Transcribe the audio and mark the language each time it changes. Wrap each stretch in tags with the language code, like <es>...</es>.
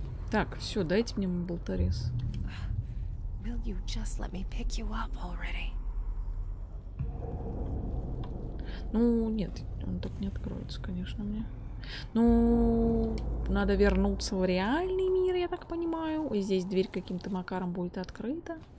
<ru>Так, все, дайте мне мой болторез.</ru> <en>Will you just let me pick you up already?</en> <ru>Ну, нет, он так не откроется, конечно, мне. Ну, надо вернуться в реальный мир, я так понимаю. И здесь дверь каким-то макаром будет открыта.</ru>